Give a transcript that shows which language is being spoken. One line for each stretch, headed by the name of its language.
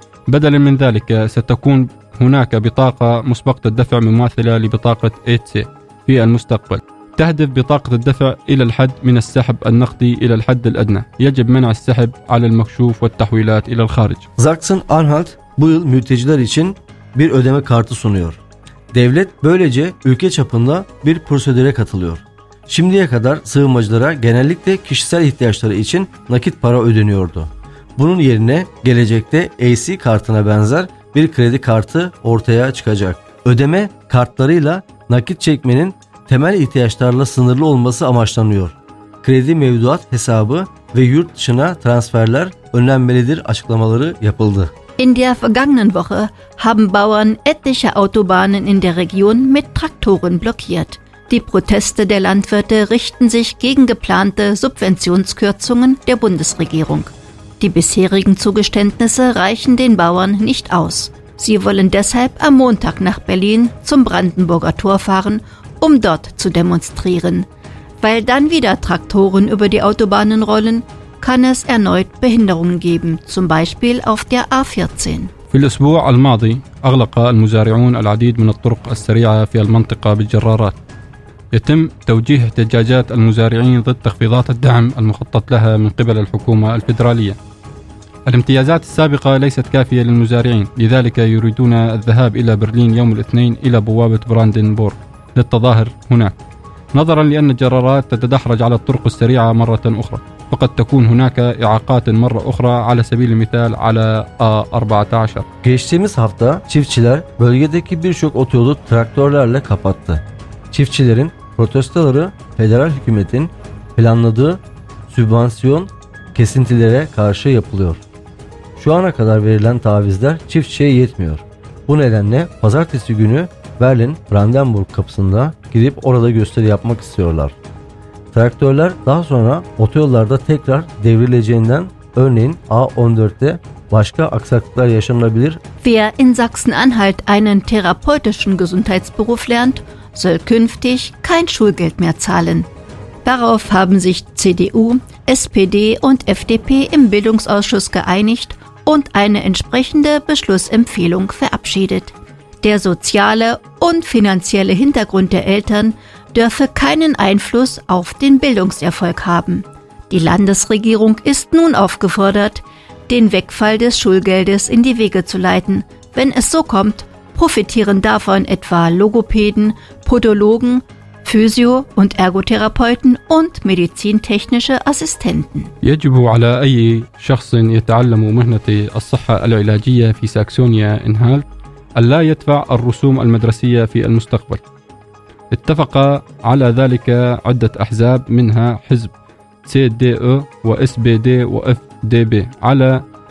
Arabic: بدلا من ذلك ستكون هناك بطاقة مسبقة الدفع مماثلة لبطاقة ايتسي في المستقبل. تهدف بطاقة الدفع إلى الحد من السحب النقدي إلى الحد الأدنى. يجب منع السحب على المكشوف والتحويلات إلى الخارج.
Turkish: Sachsen-Anhalt bu yıl mülteciler için bir ödeme kartı sunuyor. Devlet böylece ülke çapında bir prosedüre katılıyor. Şimdiye kadar sığınmacılara genellikle kişisel ihtiyaçları için nakit para ödeniyordu. Bunun yerine gelecekte AC kartına benzer bir kredi kartı ortaya çıkacak. Ödeme kartlarıyla nakit çekmenin temel ihtiyaçlarla sınırlı olması amaçlanıyor. Kredi mevduat hesabı ve yurt dışına transferler önlenmelidir açıklamaları yapıldı.
German: In der vergangenen Woche haben Bauern etliche Autobahnen in der Region mit Traktoren blockiert. Die Proteste der Landwirte richten sich gegen geplante Subventionskürzungen der Bundesregierung. Die bisherigen Zugeständnisse reichen den Bauern nicht aus. Sie wollen deshalb am Montag nach Berlin zum Brandenburger Tor fahren, um dort zu demonstrieren. Weil dann wieder Traktoren über die Autobahnen rollen, kann es erneut Behinderungen geben, zum Beispiel auf der A14.
Arabic: في الأسبوع الماضي أغلق المزارعون العديد من الطرق السريعة في المنطقة بالجرارات. يتم توجيه احتجاجات المزارعين ضد تخفيضات الدعم المخطط لها من قبل الحكومة الفيدرالية. الامتيازات السابقة ليست كافية للمزارعين، لذلك يريدون الذهاب إلى برلين يوم الاثنين إلى بوابة براندنبورغ للتظاهر هناك. نظرا لأن الجرارات تتدحرج على الطرق السريعة مرة أخرى، فقد تكون هناك إعاقات مرة أخرى على سبيل المثال على A14.
Turkish: Geçtiğimiz hafta çiftçiler bölgedeki birçok otoyolu traktörlerle kapattı. Çiftçilerin protestoları federal hükümetin planladığı sübvansiyon kesintilere karşı yapılıyor. Şu ana kadar verilen tavizler çiftçiye yetmiyor. Bu nedenle pazartesi günü Berlin Brandenburg kapısında gidip orada gösteri yapmak istiyorlar. Traktörler daha sonra otoyollarda tekrar devrileceğinden örneğin A14'te başka aksaklıklar yaşanabilir.
German: Wer in Sachsen-Anhalt einen therapeutischen Gesundheitsberuf lernt, soll künftig kein Schulgeld mehr zahlen. Darauf haben sich CDU, SPD und FDP im Bildungsausschuss geeinigt und eine entsprechende Beschlussempfehlung verabschiedet. Der soziale und finanzielle Hintergrund der Eltern dürfe keinen Einfluss auf den Bildungserfolg haben. Die Landesregierung ist nun aufgefordert, den Wegfall des Schulgeldes in die Wege zu leiten. Wenn es so kommt, profitieren davon etwa Logopäden, Podologen, Physio- und Ergotherapeuten und medizintechnische Assistenten.
Arabic: يجب على أي شخص يتعلم مهنة الصحة العلاجية في ساكسونيا إنهالت ألا يدفع الرسوم المدرسية في المستقبل. اتفق على ذلك عدة أحزاب منها حزب CDU و SPD و FDP على